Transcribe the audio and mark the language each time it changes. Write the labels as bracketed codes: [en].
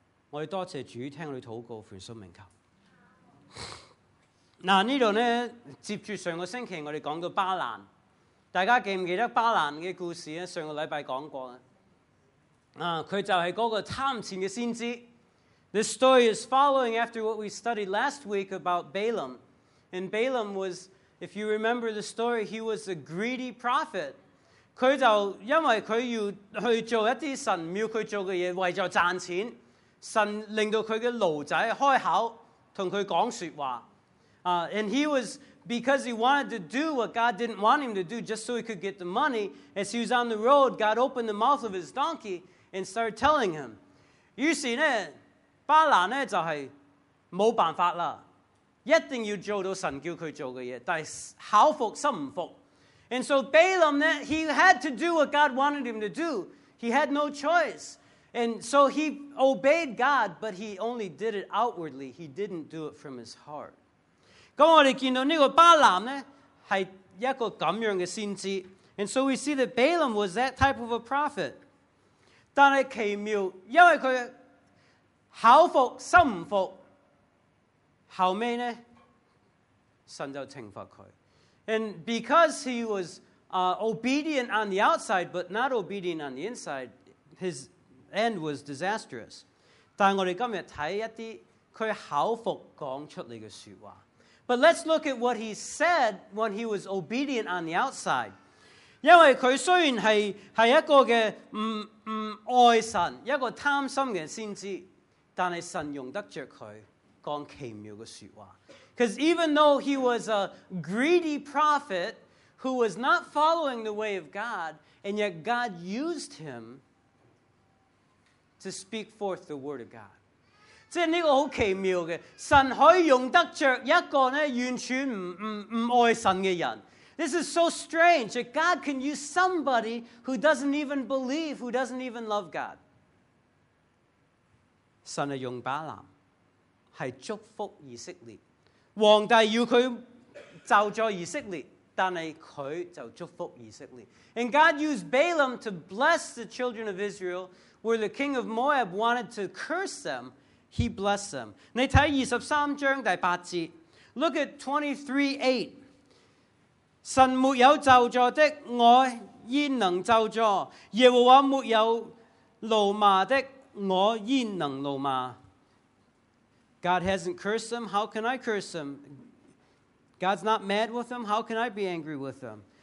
[zh] 我们多谢主，听我们祷告，奉主名求。这里呢，接着上个星期我们讲到巴兰，大家记不记得巴兰的故事呢？上个礼拜讲过，他就是那个贪钱的先知。 [en] The story is following after what we studied last week about Balaam. And Balaam was, if you remember the story, he was a greedy prophet. [zh] 他就因为他要去做一些神庙他做的事，为了赚钱，神令到他的奴仔开口跟他讲说话。 [en] And he was, because he wanted to do what God didn't want him to do just so he could get the money, as he was on the road, God opened the mouth of his donkey and started telling him. [zh] 于是呢，巴兰呢就是没办法了，一定要做到神叫他做的事，但是口服心不服。 [en] And so Balaam, he had to do what God wanted him to do. He had no choice. And so he obeyed God, but he only did it outwardly. He didn't do it from his heart. [zh] 我们看到这个巴兰呢是一个这样的先知。 [en] And so we see that Balaam was that type of a prophet. [zh] 但是奇妙，因为他口服心不服，后来呢神就惩罚他。 [en] And because he was obedient on the outside but not obedient on the inside, his end was disastrous. [zh] 但我们今天看一些他口服讲出来的说话。 [en] But let's look at what he said when he was obedient on the outside. [zh] 因为他虽然 是一个的爱神，一个贪心的先知，但是神用得着他讲奇妙的说话。 [en] Because even though he was a greedy prophet who was not following the way of God, and yet God used him to speak forth the word of God. [zh] 即是这个很奇妙的，神可以用得着一个呢完全 不爱神的人。 [en] This is so strange that God can use somebody who doesn't even believe, who doesn't even love God. [zh] 神是用巴兰是祝福以色列，皇帝要他咒诅以色列，但是他就祝福以色列。 [en] And God used Balaam to bless the children of Israel, where the king of Moab wanted to curse them, he blessed them. [zh] 你看二十三章第八节， [en] Look at 23:8. [zh] 神没有咒诅的，我焉能咒诅？耶和华没有怒骂的，我焉能怒骂？ [en] God hasn't cursed them, how can I curse them? God's not mad with them, how can I be angry with them?